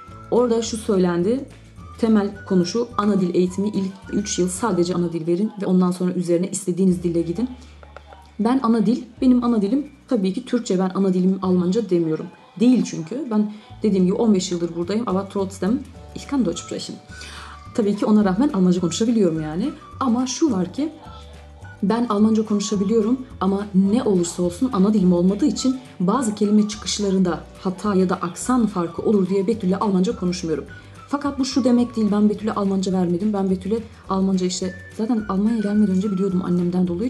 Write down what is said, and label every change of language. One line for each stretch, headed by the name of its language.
Turkish: Orada şu söylendi. Temel konu şu, ana dil eğitimi ilk 3 yıl sadece ana dil verin ve ondan sonra üzerine istediğiniz dille gidin. Ben ana dil, benim ana dilim tabii ki Türkçe, ben ana dilim Almanca demiyorum. Değil çünkü, ben dediğim gibi 15 yıldır buradayım.
German: Aber trotzdem, ich kann Deutsch sprechen.
Turkish: Tabii ki ona rağmen Almanca konuşabiliyorum yani. Ama şu var ki, ben Almanca konuşabiliyorum ama ne olursa olsun ana dilim olmadığı için bazı kelime çıkışlarında hata ya da aksan farkı olur diye Betül'le Almanca konuşmuyorum. Fakat bu şu demek değil, ben Betül'e Almanca vermedim. Ben Betül'e Almanca zaten Almanya'ya gelmeden önce biliyordum annemden dolayı.